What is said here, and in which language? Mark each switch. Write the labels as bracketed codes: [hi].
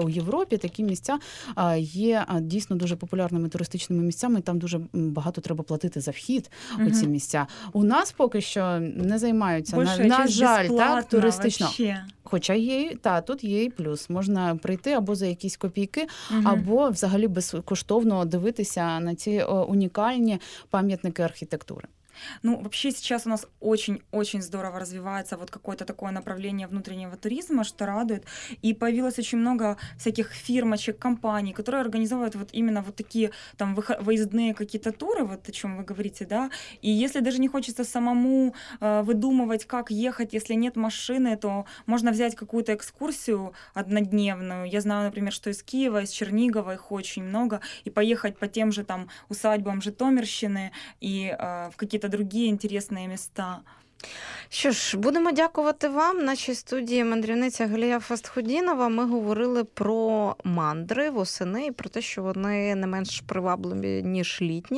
[uk] У Європі такі місця є дійсно дуже популярними туристичними місцями, там дуже багато треба платити за вхід у ці місця. У нас поки що не займаються, на жаль, так, туристично. [ru] Вообще. [uk] Хоча є, та, тут є і плюс. Можна прийти або за якісь копійки, або взагалі безкоштовно дивитися на ці унікальні пам'ятники архітектури. [ru] Ну, вообще сейчас у нас очень-очень здорово развивается вот какое-то такое направление внутреннего туризма, что радует. И появилось очень много всяких фирмочек, компаний, которые организовывают вот именно вот такие там выездные какие-то туры, вот о чем вы говорите, да. И если даже не хочется самому выдумывать, как ехать, если нет машины, то можно взять какую-то экскурсию однодневную. Я знаю, например, что из Киева, из Чернигова их очень много. И поехать по тем же там усадьбам Житомирщины и в какие-то другие интересные места. [uk] Що ж, будемо дякувати вам, нашій студії мандрівниця Галія Фастхудінова. Ми говорили про мандри восени і про те, що вони не менш привабливі, ніж літні.